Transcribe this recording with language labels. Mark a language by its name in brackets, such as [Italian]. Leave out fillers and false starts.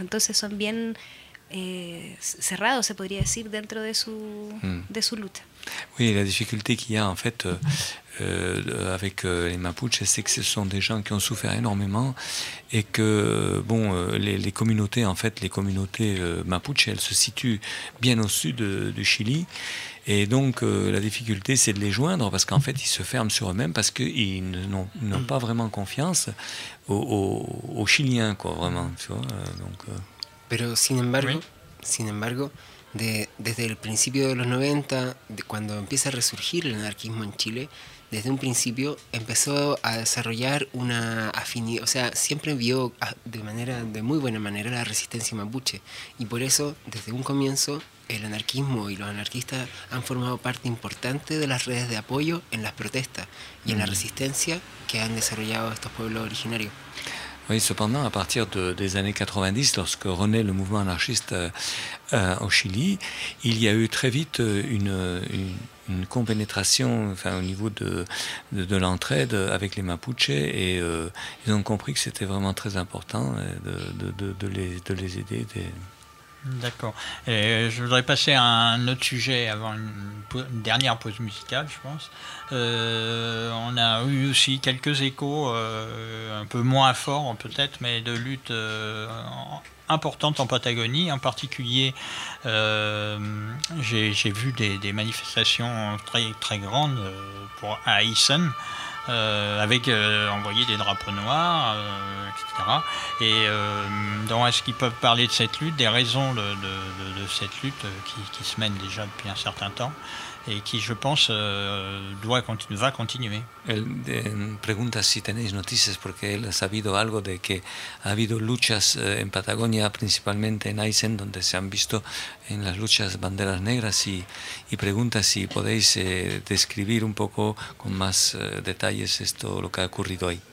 [Spanish] Entonces son bien cerrados, se podría decir, dentro de su lucha. Oui, la dificultad que hay, [French] en fait, avec les Mapuches, c'est que ce sont des gens qui ont souffert énormément et que bon, les communautés, en fait, les communautés Mapuches, elles se situent bien au sud du Chili. Et donc, la difficulté, c'est de les joindre parce qu'en fait, ils se ferment sur eux-mêmes parce qu'ils n'ont pas vraiment confiance aux Chiliens, quoi, vraiment. Tu vois, donc, [Spanish] Pero sin embargo, oui. sin embargo, desde el principio de los 90, cuando empieza a resurgir el anarquismo en Chile, desde un principio empezó a desarrollar una afinidad, o sea, siempre vio de muy buena manera la resistencia mapuche. Y por eso, desde un comienzo, el anarquismo y los anarquistas han formado parte importante de las redes de apoyo en las protestas y en la resistencia que han desarrollado estos pueblos originarios. [French] Oui, cependant, à partir des années 90, lorsque renaît le mouvement anarchiste au Chili, il y a eu très vite une compénétration, enfin, au niveau de l'entraide avec les Mapuches, et ils ont compris que c'était vraiment très important de les aider. D'accord. Et je voudrais passer à un autre sujet avant une dernière pause musicale, je pense. On a eu aussi quelques échos, un peu moins forts peut-être, mais de luttes importantes en Patagonie. En particulier, j'ai vu des manifestations très, très grandes pour Aysén. Avec envoyer des drapeaux noirs, etc. Et donc, est-ce qu'ils peuvent parler de cette lutte, des raisons de cette lutte qui se mène déjà depuis un certain temps et qui, je pense, va continuer. [Spanish] Elle pregunta si tenéis noticias porque él ha sabido algo de que ha habido luchas en Patagonia, principalmente en Aysén, donde se han visto en las luchas banderas negras, y pregunta si podéis describir un poco con más detalles esto, lo que ha ocurrido ahí.